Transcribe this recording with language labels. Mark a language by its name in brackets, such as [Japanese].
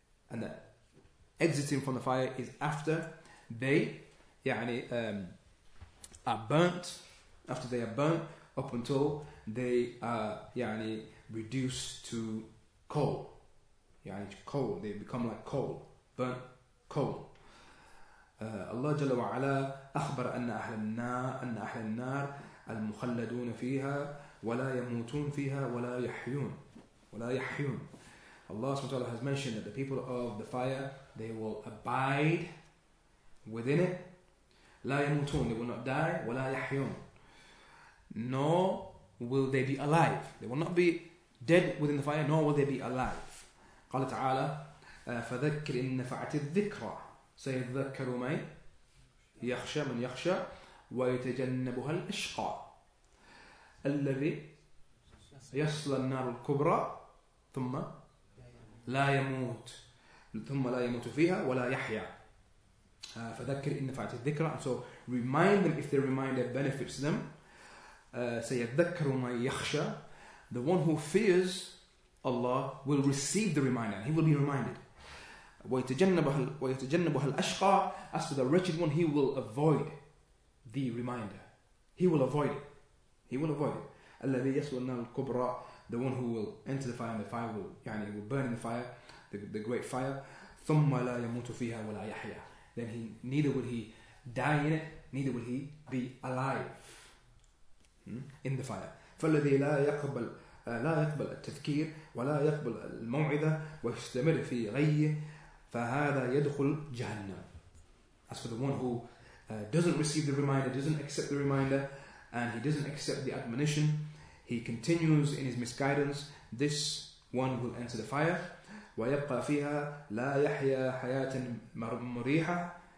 [English] And that exiting from the fire is after they يعني, are burnt up until they are يعني, reduced to coal. يعني, coal. They become like coal, burnt coal. [Arabic] Allah جل وعلا أخبر أن أهل النار المخلدون فيها ولا يموتون فيها ولا يحيون. [English] Allah subhanahu wa ta'ala has mentioned that the people of the fire, they will abide within it. [Arabic] لا يموتون, [English] they will not die. [Arabic] ولا يحيون, [English] nor will they be alive. They will not be dead within the fire, nor will they be alive. [Arabic] قال تعالى, فذكر إن نفعت الذكرى سيذكر من يخشى من يخشى ويتجنبها الأشقى الذي يصلى النار الكبرى ثم لا يموت ثم لا يموت فيها ولا يحيا. فذكر إن فعلت الذكرى. [English] So remind them, if the reminder benefits them. [Arabic] سيذكر من يخشى. [English] The one who fears Allah will receive the reminder. He will be reminded. [Arabic] ويتجنبها الأشقى. [English] As for the wretched one, he will avoid the reminder. He will avoid it. [Arabic] الذي يصلى النار الكبرى. [English] The one who will enter the fire, and the fire will, يعني, will burn in the fire, the great fire. [Arabic] ثم لا يموت فيها ولا يحيا. [English] Then he, neither will he die in it, neither will he be alive in the fire. [Arabic] فالذي لا يقبل التذكير ولا يقبل الموعدة ويستمر في غيه فهذا يدخل جهنم. [English] As for the one who doesn't receive the reminder, doesn't accept the reminder, and he doesn't accept the admonition, he continues in his misguidance, this one will enter the fire. [Arabic] وَيَبْقَى فِيهَا لَا يَحْيَى حَيَاةً مُرِيحَةً.